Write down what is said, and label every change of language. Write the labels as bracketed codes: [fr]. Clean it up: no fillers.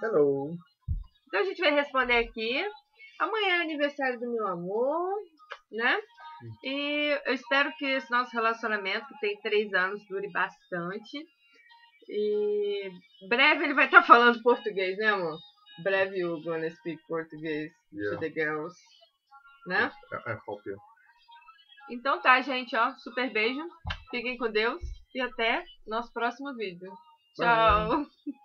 [en] Hello. [pt] Então a gente vai responder aqui. Amanhã é aniversário do meu amor, né? E eu espero que esse nosso relacionamento, que tem 3 anos, dure bastante. E breve ele vai estar falando português, né, amor? [en] Breve you're gonna speak Portuguese to the girls, né? I hope you. [pt] Então tá, gente, ó, super beijo. Fiquem com Deus e até nosso próximo vídeo. Tchau! Bye.